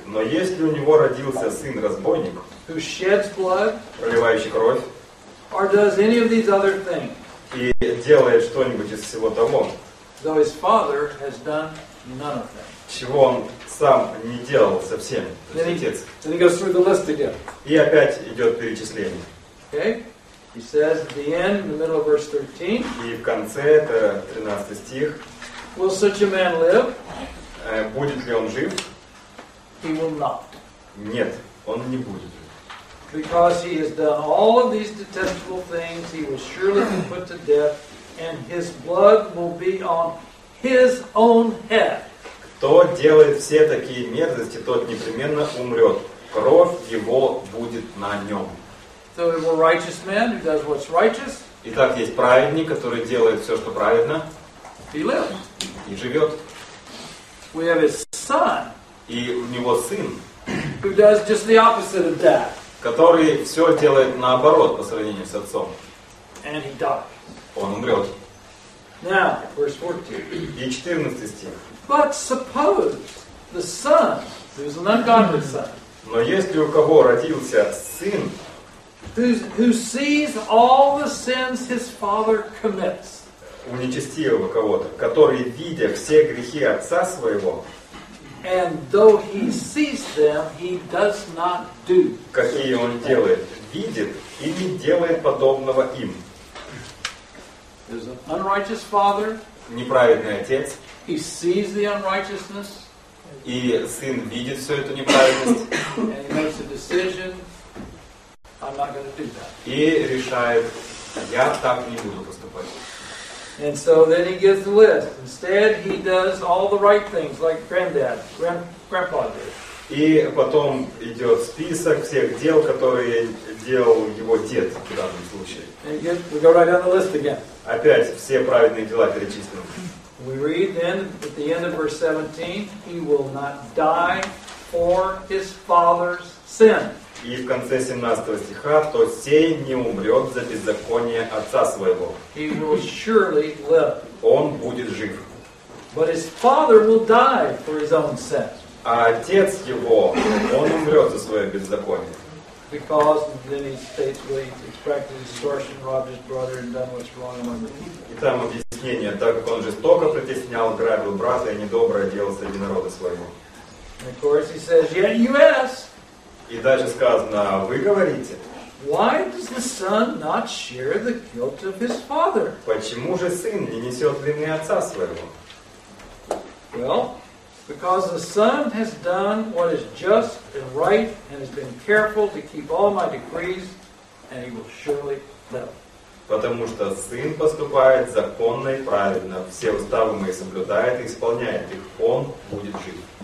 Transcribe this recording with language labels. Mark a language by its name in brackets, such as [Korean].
[Russian] Но если у него родился сын разбойник, [English] who sheds blood, [Russian] проливающий кровь, [English] or does any of these other things, [Russian] и делает что-нибудь из всего того, [English] though his father has done none of them, [Russian] чего он сам не делал совсем, [English] then [Russian] отец. [English] Then he goes through the list again. [Russian] И опять идет перечисление. [English] Okay? He says at the end, in the middle of verse 13, [Russian] и в конце, это 13 стих, [English] will such a man live? [Russian] Будет ли он жив? [English] He will not. [Russian] Нет, он не будет. [English] Because he has done all of these detestable things, he will surely be put to death, and his blood will be on his own head. [Russian] Кто делает все такие мерзости, тот непременно умрет. Кровь его будет на нем. [English] So we have a righteous man who does what's righteous. [Russian] Итак, есть праведник, который делает все, что праведно. [English] He lives. [Russian] И живет. [English] We have his son. [Russian] И у него сын. [English] Who does just the opposite of that. [Russian] Который все делает наоборот по сравнению с отцом. [English] And he dies. [Russian] Он умрет. [English] Now, verse 14. [Russian] И 14 стих. [English] But suppose the son, who's an ungodly son. [Russian] Но если у кого родился сын, [English] who sees all the sins his father commits. [Russian] У нечестивого кого-то, который, видя все грехи отца своего, [English] and though he sees them, he does not do. [Russian] Какие он делает? Видит и не делает подобного им. [English] There's an unrighteous father. [Russian] Неправедный отец. [English] He sees the unrighteousness. [Russian] И сын видит всю эту неправедность. [English] And he makes a decision. I'm not going to do that. [Russian] И решает, я так не буду поступать. [English] And so then he gives the list. Instead, he does all the right things, like granddad, grandpa did. [Russian] И потом идет список всех дел, которые делал его дед в данном случае. [English] And again, we go right down the list again. [Russian] Опять все праведные дела перечислены. [English] We read then at the end of verse 17, he will not die for his father's sin. [Russian] И в конце 17 стиха, то сей не умрет за беззаконие отца своего. [English] He will surely live. [Russian] Он будет жив. [English] But his father will die for his own sin. [Russian] А отец его, он умрет за свое беззаконие. [English] Because then he states, well, he's practiced extortion, robbed his brother, and done what's wrong among the people. [Russian] И там объяснение, так как он жестоко притеснял, грабил брата, и недоброе делал среди народа своего. [English] And of course he says, yet you ask. [Russian] И дальше сказано, вы говорите, [English] why does the son not share the guilt of his father? [Russian] Почему же сын не несет вины отца своего? [English] Well, because the son has done what is just and right and has been careful to keep all my decrees, and he will surely live. [Russian] Потому что сын поступает законно и правильно, все уставы мои соблюдает и исполняет их, он будет жить.